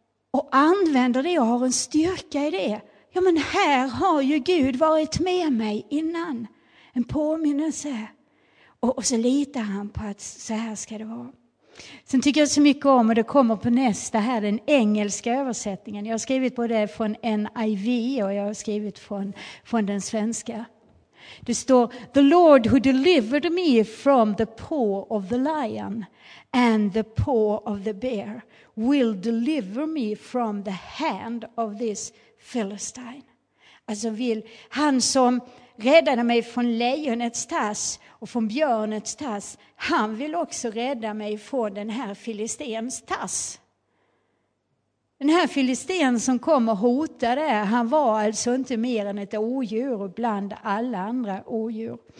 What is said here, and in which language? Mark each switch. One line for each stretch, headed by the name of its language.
Swedish: Och använder det och har en styrka i det. Ja, men här har ju Gud varit med mig innan. En påminnelse. Och så litar han på att så här ska det vara. Sen tycker jag så mycket om, och det kommer på nästa här, den engelska översättningen. Jag har skrivit både från NIV och jag har skrivit från den svenska. Det står,
English: the Lord who delivered me from the paw of the lion and the paw of the bear will deliver me from the hand of this Philistine.
Swedish: Alltså vill han som räddade mig från lejonets tass och från björnets tass, han vill också rädda mig från den här filistens tass. Den här filistén som kom och hotade, han var alltså inte mer än ett odjur bland alla andra odjur.